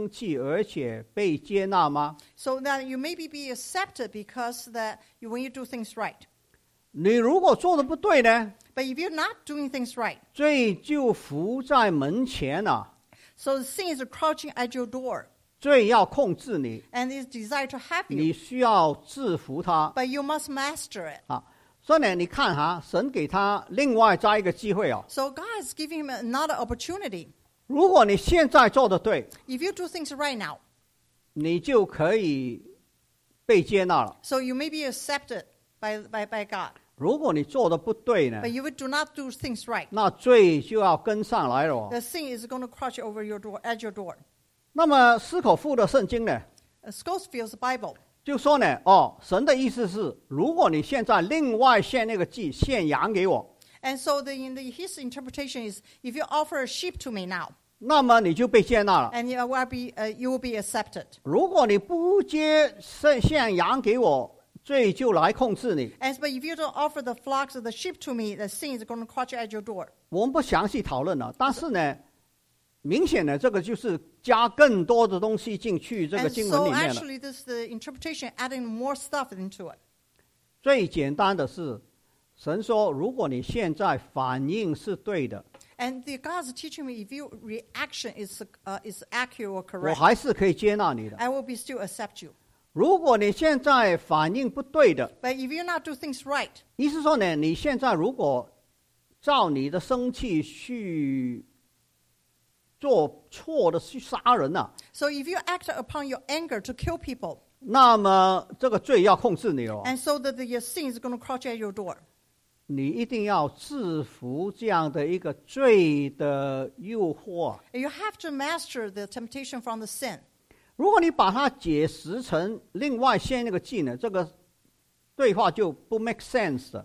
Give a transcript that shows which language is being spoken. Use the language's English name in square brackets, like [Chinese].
[Chinese] 岂不就能够叫你不生气而且被接纳吗? [English] So that you maybe be accepted because that you, when you do things right, [Chinese] 你如果做得不对呢? [English] But if you're not doing things right, [Chinese] 罪就伏在门前啊, [English] so the sin is crouching at your door, [Chinese] 罪要控制你, [English] and it's desire to have you, [Chinese] 你需要制服他, [English] but you must master it. [Chinese] 啊, 所以呢, 你看啊, 神给他另外加一个机会啊, [English] so God is giving him another opportunity. [Chinese] 如果你现在做得对, [English] if you do things right now, [Chinese] 你就可以被接纳了, [English] so you may be accepted by God. [Chinese] 如果你做得不对呢, [English] but you do not do things right, [Chinese] 那罪就要跟上来了, [English] the sin is going to crouch over your door, at your door. [Chinese] 那么斯可夫的圣经呢, [English] Scofield's Bible, [Chinese] 就说呢, 哦, 神的意思是, 如果你现在另外献那个祭, 献羊给我, [English] and so his interpretation is, if you offer a sheep to me now, [Chinese] 那么你就被接纳了, [English] and you will be accepted. [Chinese] 如果你不接献羊给我, 罪就来控制你。 [English] And but if you don't offer the flocks of the sheep to me, the sin is going to crouch at your door. [Chinese] 我们不详细讨论了，但是呢，明显呢，这个就是加更多的东西进去这个经文里面了。 [English] And so actually, this is the interpretation adding more stuff into it. [Chinese] 最简单的是，神说，如果你现在反应是对的。 [English] And the God's teaching me if your reaction is accurate or correct. [Chinese] 我还是可以接纳你的。 [English] I will be still accept you. [Chinese] 如果你现在反应不对的。 [English] But if you not do things right. [Chinese] 意思说呢，你现在如果照你的生气去做错的去杀人啊。 [English] So if you act upon your anger to kill people. [Chinese] 那么这个罪要控制你哦。 [English] And so that your sin is going to crouch at your door. [Chinese] 你一定要制服这样的一个罪的诱惑。 [English] You have to master the temptation from the sin. [Chinese] 如果你把它解释成另外先那个技能，这个对话就不 [English] make sense [Chinese] 了。